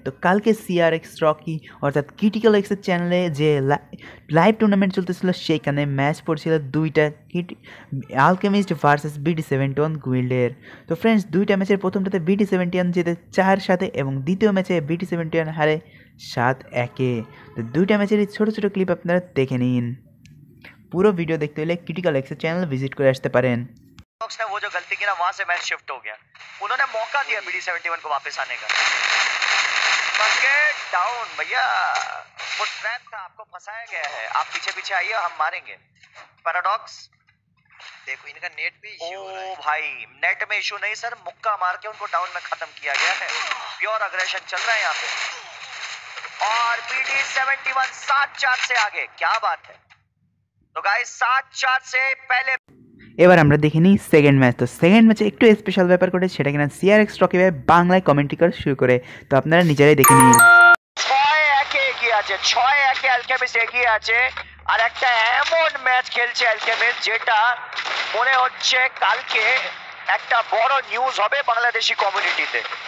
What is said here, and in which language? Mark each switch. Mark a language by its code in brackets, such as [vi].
[bn] তো কালকে CRX Rocky অর্থাৎ ক্রিটিক্যাল এক্সের চ্যানেলে যে লাইভ টুর্নামেন্ট চলতেছিল, সেখানে ম্যাচ পড়ছিল দুইটা আলকেমিস্ট ভার্সেস BD71 গুইল্ডের। তো ফ্রেন্ডস, দুইটা ম্যাচের প্রথমটাতে BD71 জেতে 4-7 এবং দ্বিতীয় ম্যাচে BD71 হারে 7-1। তো দুইটা ম্যাচেরই ছোটো ছোটো ক্লিপ আপনারা দেখে নিন। পুরো ভিডিও দেখতে হলে ক্রিটিক্যাল এক্সের চ্যানেল ভিজিট করে আসতে পারেন। [hi] वो जो गलती की ना, वहां से मैच शिफ्ट हो गया। उन्होंने मौका दिया BD71 को वापस आने का। बस के डाउन भैया, वो ट्रैप था, आपको फंसाया गया है। आप पीछे पीछे आइए, हम मारेंगे। पैराडॉक्स देखो, इनका नेट भी इशू हो रहा है। भाई नेट में इशू नहीं सर, मुक्का मार के उनको डाउन में खत्म किया गया है। प्योर अग्रेशन चल रहा है यहाँ पे। और BD71 7-4 से आगे, क्या बात है। तो गाइस 7-4 से पहले [bn] এবার আমরা দেখে নিই সেকেন্ড ম্যাচ। তো সেকেন্ড ম্যাচে একটু স্পেশাল ব্যাপার ঘটে, সেটা কিনা CRX রকি ভাই বাংলায় কমেন্ট্রি করা শুরু করে। তো আপনারা নিজেরাই দেখে নিন। 6-1 এগিয়ে আছে, 6-1 আলকেমিস্ট এগিয়ে আছে। আর একটা এমন ম্যাচ খেলছে আলকেমিস্ট যেটা মনে হচ্ছে কালকে একটা বড় নিউজ হবে বাংলাদেশি কমিউনিটিতে।